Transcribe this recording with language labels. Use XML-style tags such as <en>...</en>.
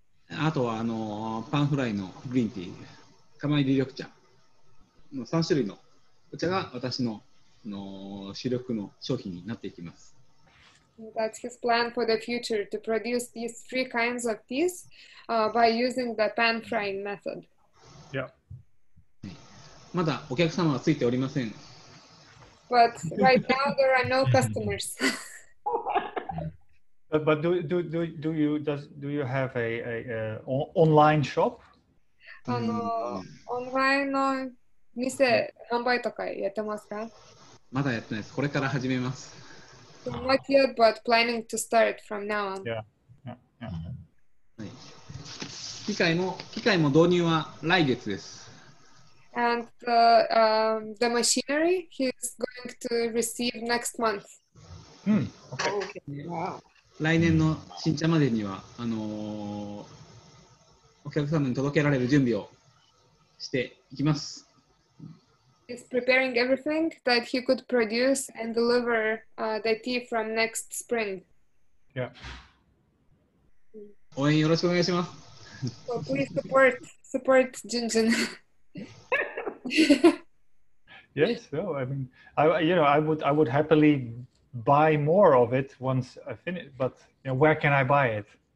<ja>あとはパンフライのグリーンティー、釜炒り緑茶の3種類のお茶が私の主力の商品になっていきます。</ja> <en>That's his plan for the future to produce these three kinds of teas by using the pan frying method.</en> <ja>まだお客様はついておりません。</ja> <en>But right now there are no customers. but do you have a online shop?</en> <ja>オンラインの店販売とかやってますか？まだやってないです。これから始めます。</ja> <en>So not yet, but planning to start from now on. Yeah.</en> <ja>はい。機械も導入は来月です。</ja> <en>And the machinery he's going to receive next month. Okay.</en> <ja>Wow. 来年の新茶までにはお客様に届けられる準備をしていきます。</ja> <en>He's preparing everything that he could produce and deliver the tea from next spring. Yeah.</en> <ja>応援よろしくお願いします。</ja> <en>So please support Junjun. Yes, no, I mean, I would happily buy more of it once I finish, but you know, where can I buy it?</en>